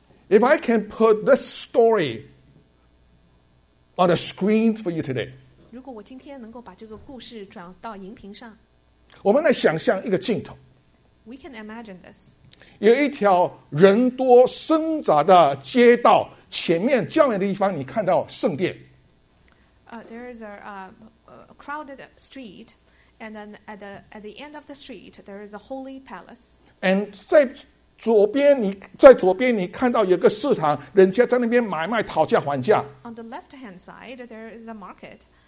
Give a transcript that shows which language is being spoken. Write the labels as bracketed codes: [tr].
[en] If I can put this story on the screen for you today. [zh] 如果我今天能够把这个故事转到荧屏上，我们来想象一个镜头。 [en] We can imagine this. [zh] 有一条人多声杂的街道，前面这样的地方，你看到圣殿。 [en] There is a crowded street, and then at the end of the street, there is a holy palace. [zh] And 在左边，你看到有个市场，人家在那边买卖讨价还价。 [en] On the left-hand side, there is a market.